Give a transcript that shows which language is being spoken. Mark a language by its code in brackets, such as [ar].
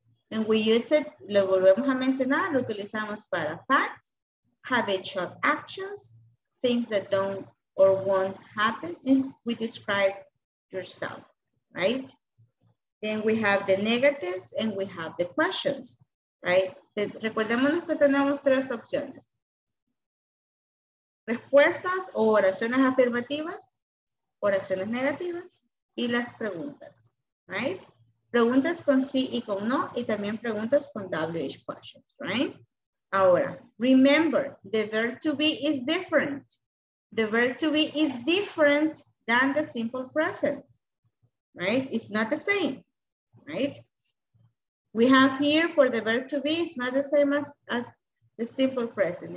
[en] And we use it, [es] lo volvemos a mencionar, lo utilizamos para [en] facts, habitual actions, things that don't or won't happen, and we describe yourself, right? Then we have the negatives and we have the questions, right? [es] Recordémonos que tenemos tres opciones. Respuestas o oraciones afirmativas, oraciones negativas y las preguntas, right? Preguntas con sí y con no y también preguntas con WH questions, right? Ahora, [en] remember, the verb to be is different. The verb to be is different than the simple present, right? It's not the same, right? We have here for the verb to be, it's not the same as the simple present.